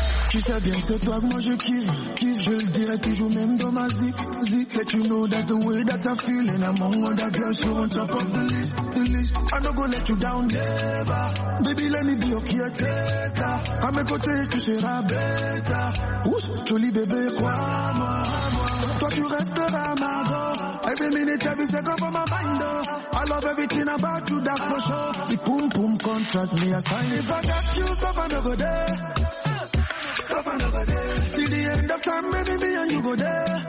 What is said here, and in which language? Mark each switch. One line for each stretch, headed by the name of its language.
French: C'est bien, c'est toi que moi je kiffe. Je le dirai toujours même dans ma zik.
English: Let you know that's the way that I feel. And I'm on that girl, she on top of the list. The list. I don't go let you down, never. Baby, let me be your caretaker.
French: À mes côtés, tu seras bêta. Ouh, joli bébé, crois-moi. Toi, tu resteras ma go.
English: Every minute, every second for my mind, though. I love everything about you, that's for sure. The boom, boom, contract me, I sign. If I got you, suffer no go there. Till the end of time, baby, me and you go there.